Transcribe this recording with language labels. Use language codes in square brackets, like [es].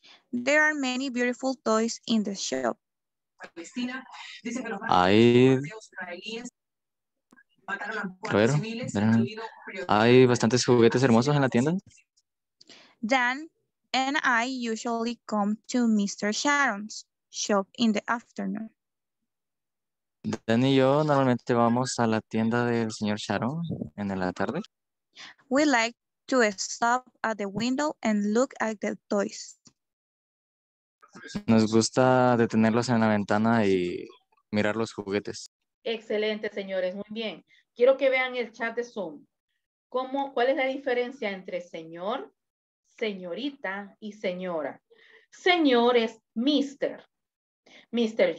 [en] There are many beautiful toys in the shop. [es] Hay... Pero, ¿hay bastantes juguetes hermosos en la tienda? [en] Dan and I usually come to Mr. Sharon's shop in the afternoon. [es] Dan y yo normalmente vamos a la tienda del señor Sharon en la tarde. [en] We like to stop at the window and look at the toys. [es] Nos gusta detenerlos en la ventana y mirar los juguetes. Excelente, señores. Muy bien. Quiero que vean el chat de Zoom. ¿Cuál es la diferencia entre señor, señorita y señora? Señor es Mr. Mr.